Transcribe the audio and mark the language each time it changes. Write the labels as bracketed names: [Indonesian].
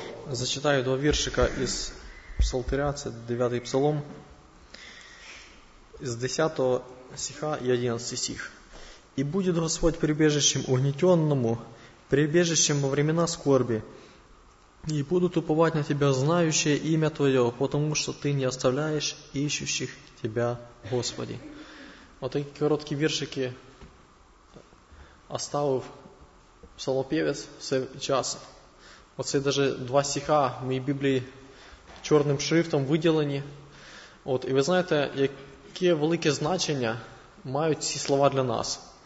[Ukrainian] Зачитаю два віршика із Псалтиря, це 9-й псалом, з 10-го стиха і 11-й стих. [Russian] «І буде Господь прибежищем угнетенному, прибежищем во времена скорби, и будут уповать на Тебя знающие имя Твое, потому что Ты не оставляешь ищущих Тебя, Господи». [Ukrainian] Вот такі короткі віршики оставив псалопевец в цей час. Оце даже два стиха в моїй Біблії чорним шрифтом виділені. От, і ви знаєте, яке велике значення мають ці слова для нас.